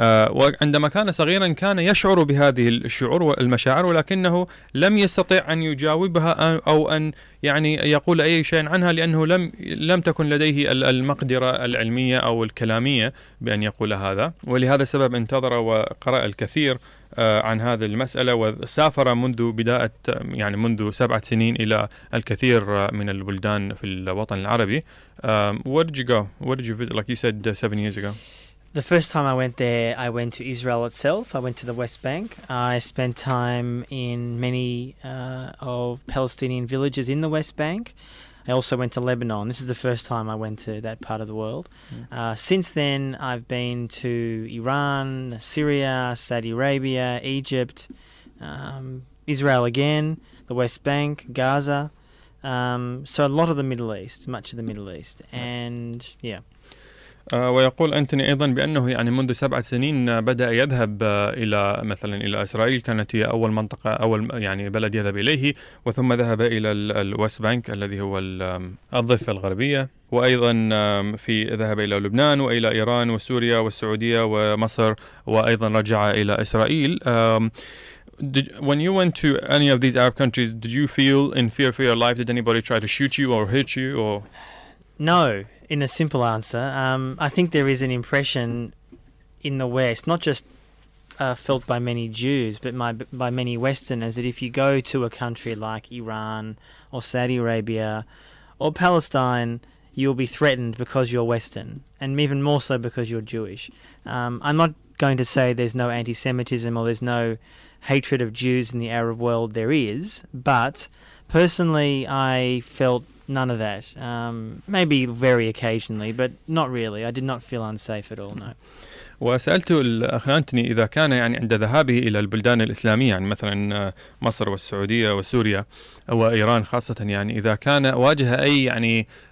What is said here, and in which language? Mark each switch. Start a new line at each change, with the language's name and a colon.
Arabic: وعندما كان صغيرا كان يشعر بهذه الشعور والمشاعر, ولكنه لم يستطع أن يجاوبها أو أن يعني يقول أي شيء عنها, لأنه لم تكن لديه المقدرة العلمية أو الكلامية بأن يقول هذا. ولهذا السبب انتظر وقرأ الكثير عن هذه المسألة, وسافر منذ بداية يعني منذ 7 سنين إلى الكثير من البلدان في الوطن العربي.
English: Where did you go? Where did you visit? Like you said, 7 years ago. The first time I went there, I went to Israel itself. I went to the West Bank. I spent time in many of Palestinian villages in the West Bank. I also went to Lebanon. This is the first time I went to that part of the world. Mm. Since then, I've been to Iran, Syria, Saudi Arabia, Egypt, Israel again, the West Bank, Gaza. So a lot of the Middle East, much of the Middle East. And yeah.
Arabic: ويقول أنتوني أيضا بأنه يعني منذ 7 سنين بدأ يذهب إلى مثلا إلى إسرائيل، كانت هي أول منطقة أول يعني بلد يذهب إليه، وثم ذهب إلى الويست بانك الذي هو الضفة الغربية، وأيضا في ذهب إلى لبنان وإلى إيران وسوريا والسعودية ومصر، وأيضا رجع إلى إسرائيل.
English: When you went to any of these Arab countries, did you feel in fear for your life? Did anybody try to shoot you or hit you? Or no, in a simple answer, I think there is an impression in the West, not just felt by many Jews, but by many Westerners, that if you go to a country like Iran or Saudi Arabia or Palestine, you'll be threatened because you're Western, and even more so because you're Jewish. I'm not going to say there's no anti-Semitism or there's no hatred of Jews in the Arab world. There is, but personally, I felt none of that. Maybe very occasionally, but not really. I did not feel unsafe at all, no.
Arabic: وسألت الأخ أنتوني إذا كان يعني عند ذهابه إلى البلدان الإسلامية، يعني مثلا مصر والسعودية وسوريا وإيران خاصة، يعني إذا كان واجه أي يعني